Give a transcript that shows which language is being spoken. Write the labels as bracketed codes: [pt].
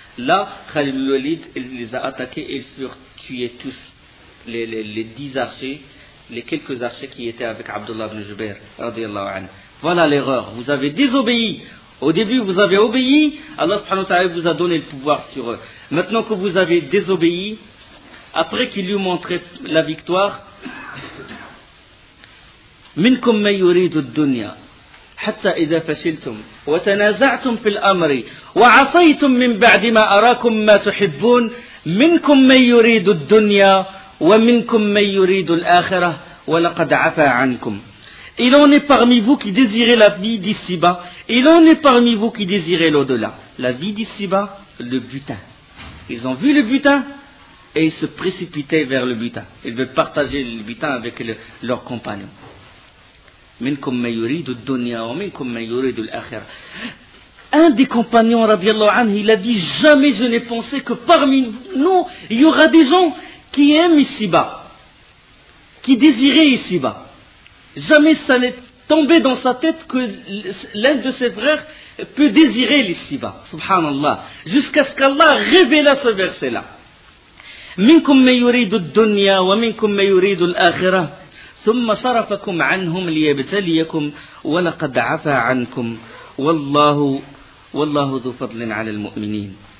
[fr] Là, Khalid ibn Walid les a attaqués et ils furent tués tous. Les 10 archers, les quelques archers qui étaient avec Abdullah ibn Jubair, radiallahu anhu. Voilà l'erreur. Vous avez désobéi. Au début, vous avez obéi. Allah subhanahu wa ta'ala vous a donné le pouvoir sur eux. Maintenant que vous avez désobéi, après qu'il lui montrait la victoire, [ar] منكم من يريد الدنيا حتى إذا فشلتم وتنازعتم في الأمر وعصيتم من بعد ما أراكم ما تحبون منكم من يريد الدنيا ومنكم من يريد الآخرة ولقد عفا عنكم. [fr] Il en est parmi vous qui désirez la vie d'ici-bas. Il en est parmi vous qui désirez l'au-delà. La vie d'ici-bas, le butin. Ils ont vu le butin et ils se précipitaient vers le butin. Ils veulent partager le butin avec leurs compagnons. [ar] منكم من يريد الدنيا ومنكم من يريد الآخرة. [fr] Un des compagnons, radiallahu anhu, il a dit, jamais je n'ai pensé que parmi nous, il y aura des gens qui aiment ici-bas, qui désiraient ici-bas. Jamais ça n'est tombé dans sa tête que l'un de ses frères peut désirer ici-bas. Subhanallah. Jusqu'à ce qu'Allah révéla ce verset-là. [ar] منكم من يريد الدنيا ومنكم من يريد الآخرة. ثم صرفكم عنهم ليبتليكم ولقد عفا عنكم والله ذو فضل على المؤمنين.